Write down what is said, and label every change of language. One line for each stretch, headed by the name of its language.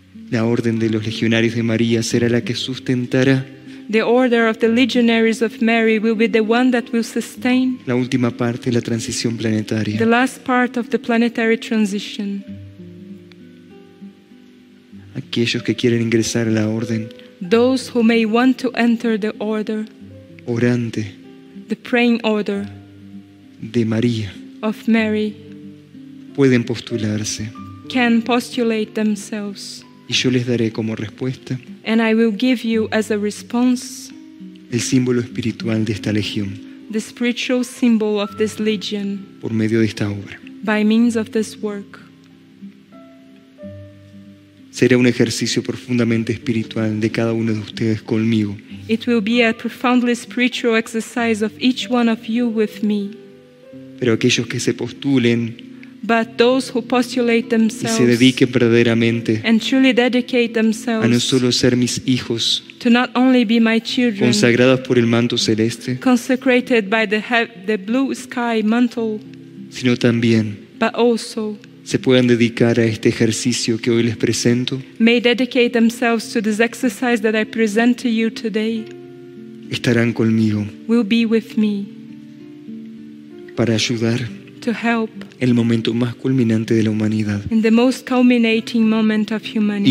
Spanish: La orden de los legionarios de María será la que sustentará.
English: The order of the legionaries of Mary will be the one that will sustain.
Spanish: La última parte de la transición planetaria.
English: The last part of the planetary transition.
Spanish: Aquellos que quieren ingresar a la orden.
English: Those who may want to enter the order.
Spanish: Orante.
English: The praying order.
Spanish: De María.
English: Of Mary.
Spanish: Pueden postularse.
English: Can postulate themselves.
Spanish: Y yo les daré como respuesta.
English: And I will give you as a response.
Spanish: El símbolo espiritual de esta legión.
English: The spiritual symbol of this legion.
Spanish: Por medio de esta obra.
English: By means of this work.
Spanish: Será un ejercicio profundamente espiritual de cada uno de ustedes conmigo.
English: It will be a profoundly spiritual exercise of each one of you with me.
Spanish: Pero aquellos que se postulen.
English: But those who postulate themselves
Spanish: y se dediquen verdaderamente
English: and truly dedicate themselves
Spanish: a no solo ser mis hijos
English: to not only be my children,
Spanish: consagrados por el manto celeste
English: consecrated by the blue sky mantle,
Spanish: sino también
English: but also
Spanish: se puedan dedicar a este ejercicio que hoy les presento
English: may dedicate themselves to this exercise that I present to you today
Spanish: estarán conmigo
English: will be with me
Spanish: para ayudar
English: to help
Spanish: el momento más culminante de la humanidad
English: in the most culminating moment of humanity